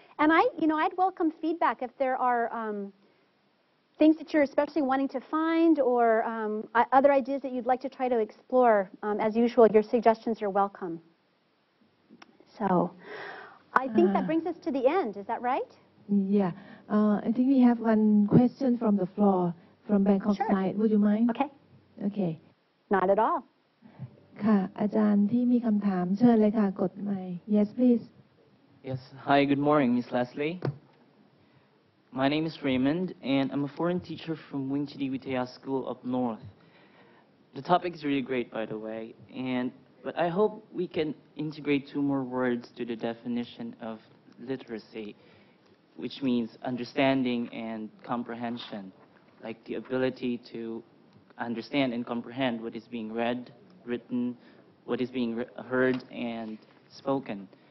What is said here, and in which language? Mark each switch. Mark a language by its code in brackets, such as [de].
[en] And I'd welcome feedback if there are things that you're especially wanting to find or other ideas that you'd like to try to explore. As usual, your suggestions are welcome. So I think that brings us to the end. Is that right? Yeah. I think we have one question from the floor from Bangkok sure. side. Would you mind? Okay. Okay. Not at all. [th] ค่ะ อาจารย์ที่มีคำถาม เชิญเลยค่ะ กดไมค์ [en] Yes, please. Yes. Hi, good morning, Ms. Leslie. My name is Raymond, and I'm a foreign teacher from Wing Chit Witaya School up north. The topic is really great, by the way, but I hope we can integrate two more words to the definition of literacy, which means understanding and comprehension, like the ability to understand and comprehend what is being read, written, what is being heard and spoken.